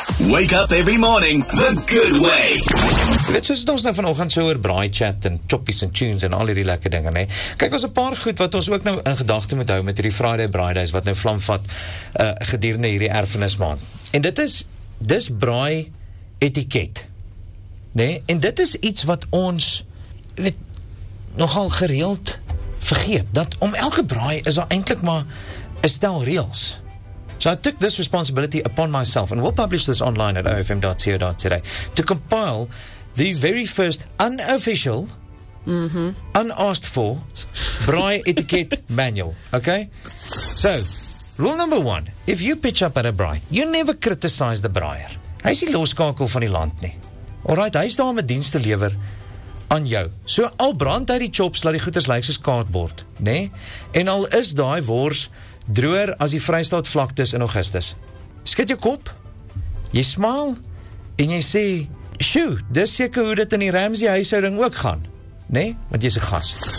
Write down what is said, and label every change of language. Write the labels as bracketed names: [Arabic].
[English] Wake up every morning the good way. [Afrikaans] Dit is ons nou vanoggend so oor braai chat en choppies en tunes en al hierdie lekker dinge, nee. Kyk, ons 'n paar goed wat ons ook nou in gedagte moet hou met hierdie Friday Braai Days wat nou vlam vat gedurende hierdie erfenis maand. En dis braai etiket. Nee, en dit is iets wat ons weet, nogal gereeld vergeet, dat om elke braai is daar eintlik maar 'n stel reëls. [English] So I took this responsibility upon myself and we'll publish this online at ofm.co.za to compile the very first unofficial, unasked for, braai etiquette manual, okay? So, rule number one, if you pitch up at a braai, you never criticize the braaier. [Afrikaans] Hy is die loskakel van die land nie. Alright, hy is daar om 'n dienst te lever aan jou. So al brand hy die chops, laat die goeders lyk soos kaartbord, nee? En al is die wors droër as die Vrystaat vlaktes in Augustus. Skud jou kop, jy smaal, en jy sê, sjoe, dis seker hoe dit in die Ramsey huishouding ook gaan, nee? Want jy is 'n gas.